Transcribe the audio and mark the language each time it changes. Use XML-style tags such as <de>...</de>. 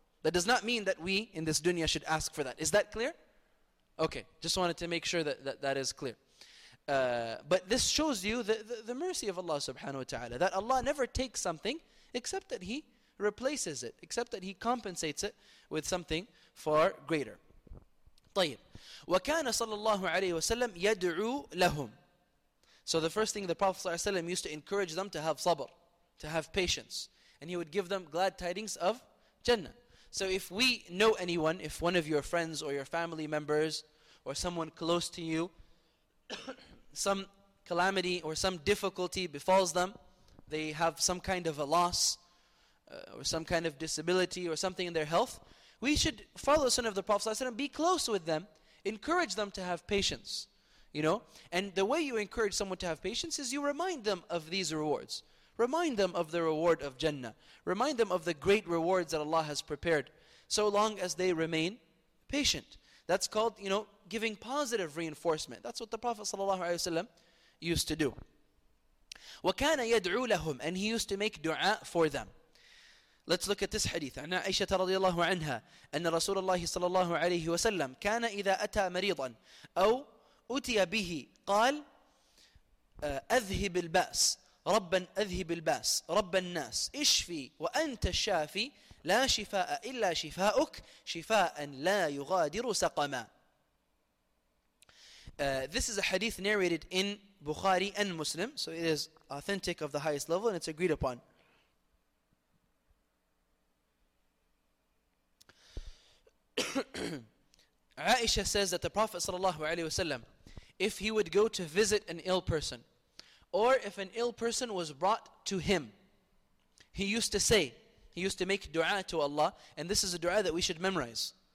<en>That does not mean that we in this dunya should ask for that. Is that clear? Okay, just wanted to make sure that is clear. But this shows you the mercy of Allah subhanahu wa ta'ala, that Allah never takes something except that He replaces it, except that He compensates it with something far greater.</en> <ar>طيب. وكان صلى الله عليه وسلم يدعو لهم.</ar> <en>So the first thing, the Prophet</en> <ar>صلى الله عليه وسلم</ar> <en>used to encourage them to have sabr, to have patience. And he would give them glad tidings of Jannah. So if we know anyone, if one of your friends or your family members or someone close to you, some calamity or some difficulty befalls them, they have some kind of a loss, or some kind of disability or something in their health, we should follow the sunnah of the Prophet ﷺ, be close with them, encourage them to have patience. You know, and the way you encourage someone to have patience is you remind them of these rewards. Remind them of the reward of Jannah. Remind them of the great rewards that Allah has prepared, so long as they remain patient. That's called, you know, giving positive reinforcement. That's what the Prophet ﷺ used to do.</en> <ar>وَكَانَ يَدْعُو لَهُمْ</ar> <en>And he used to make dua for them. Let's look at this hadith.</en> <ar>عن عائشة رضي الله عنها أن رسول الله صلى الله عليه وسلم كان إذا أتى مريضا أو أتي به قال أذهب الباس ربا أذهب الباس رب الناس اشفي وأنت الشافي لا شفاء إلا شفاءك شفاء لا يغادر سقما.</ar> <en>This is a hadith narrated in Bukhari and Muslim, so it is authentic of the highest level and it's agreed upon. Aisha says that the Prophet ﷺ, if he would go to visit an ill person, or if an ill person was brought to him, he used to say, he used to make dua to Allah, and this is a dua that we should memorize.</en>